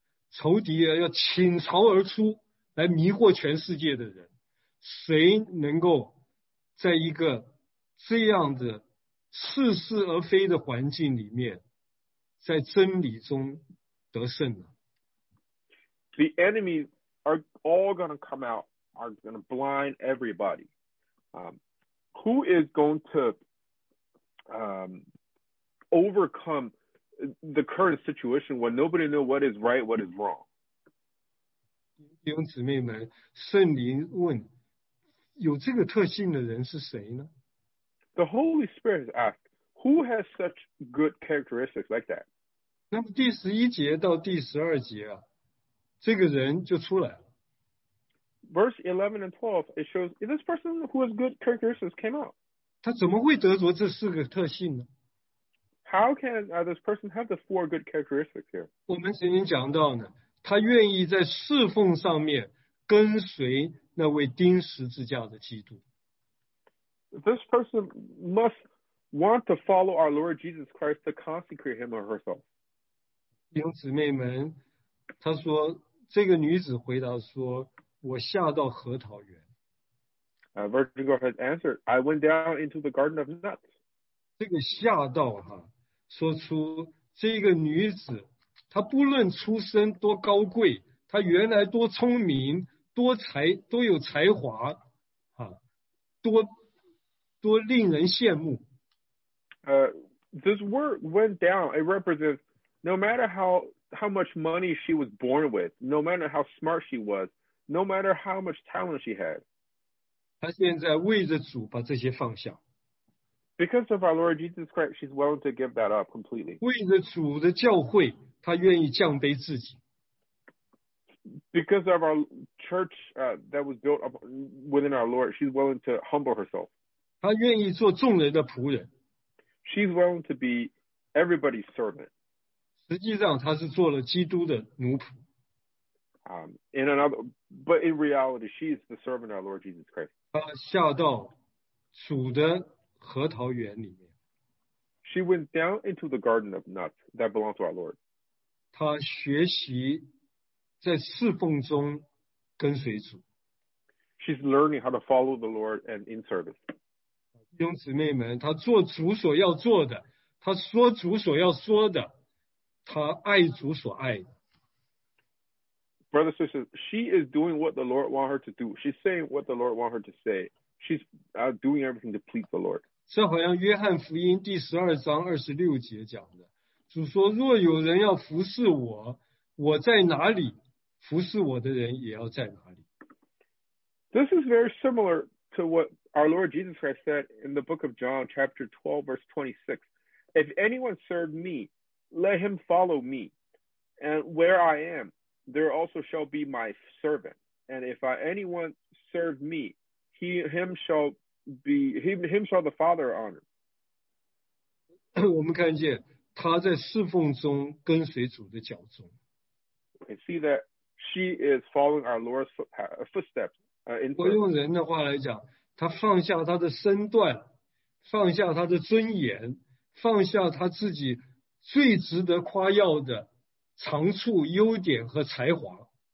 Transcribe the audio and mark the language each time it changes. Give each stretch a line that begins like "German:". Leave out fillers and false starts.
Chinese: 仇敌要倾巢而出来迷惑全世界的人，谁能够在一个这样的似是而非的环境里面在真理中得胜呢？
English: The enemies are all going to come out, are going to blind everybody. Who is going to overcome the current situation when nobody knows what is right, what is wrong?
Chinese: 弟兄姊妹们，圣灵问，有这个特性的人是谁呢？
English: The Holy Spirit has asked, who has such good characteristics like that?
Chinese: 那么第十一节到第十二节啊，这个人就出来了。
English: Verse 11 and 12, it shows, is this person who has good characteristics came out?
Chinese: 他怎么会得着这四个特性呢？
English: How can this person have the four good characteristics here?
Chinese: 我们曾经讲到呢，他愿意在侍奉上面跟随那位钉十字架的基督。
English: This person must want to follow our Lord Jesus Christ to consecrate him or herself.
Chinese: 弟兄姊妹们，他说，这个女子回答说，我下到核桃园。
English: Virgin girl has answered, I went down into the garden of nuts.
Chinese: 这个下到哈，说出这个女子，她不论出身多高贵，她原来多聪明，多才，多有才华，啊，多令人羡慕。
English: This word went down, it represents no matter how much money she was born with, no matter how smart she was, no matter how much talent she had.
Chinese: 她现在为着主把这些放下。
English: Because of our Lord Jesus Christ, she's willing to give that up completely.
Chinese: 为着主的教会，她愿意降卑自己。
English: Because of our church that was built up within our Lord, she's willing to humble herself.
Chinese: 她愿意做众人的仆人。
English: She's willing to be everybody's servant.
Chinese: 实际上她是做了基督的奴仆。
English: But in reality, she is the servant of our Lord Jesus Christ.
Chinese: 她下到主的核桃园里面。
English: She went down into the garden of nuts that belongs to our Lord.
Chinese: 她学习在侍奉中跟随主。
English: She's learning how to follow the Lord and in service.
Chinese: 弟兄姊妹们，她做主所要做的，她说主所要说的，她爱主所爱的。
English: Brother, sister, she is doing what the Lord wants her to do. She's saying what the Lord wants her to say. She's doing everything to please the Lord.
Chinese: 这好像约翰福音第十二章二十六节讲的，主说：“若有人要服侍我，我在哪里，服侍我的人也要在哪里。”
English: This is very similar to what our Lord Jesus Christ said in the book of John, chapter 12, verse 26. If anyone serve me, let him follow me. And where I am, there also shall be my servant. And if anyone serve me, him shall the Father honor.
Chinese: 我们看见他在侍奉中跟随主的脚踪。
English: We see that she is following our Lord's footsteps.
Chinese: 我用人的话来讲，他放下他的身段，放下他的尊严，放下他自己最值得夸耀的长处、优点和才华。